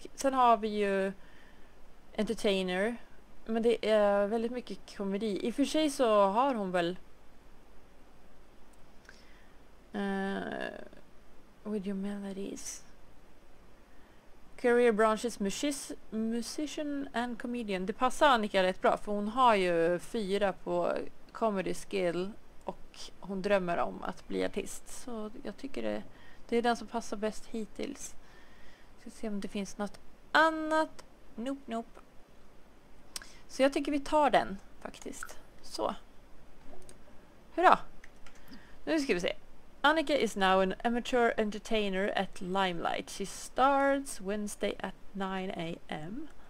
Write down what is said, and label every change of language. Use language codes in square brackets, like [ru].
[sv] Sen har vi ju entertainer, men det är väldigt mycket komedi. I och för sig så har hon väl [en] with your melodies. Career branches, musician and comedian. [sv] Det passar Annika rätt bra, för hon har ju 4 på comedy skill och hon drömmer om att bli artist. Så jag tycker det är den som passar bäst hittills. Ska se om det finns något annat. Nope. Så jag tycker vi tar den faktiskt. Så. Hurra! Nu ska vi se. [en] Annika is now an amateur entertainer at Limelight. She starts Wednesday at 9 a.m.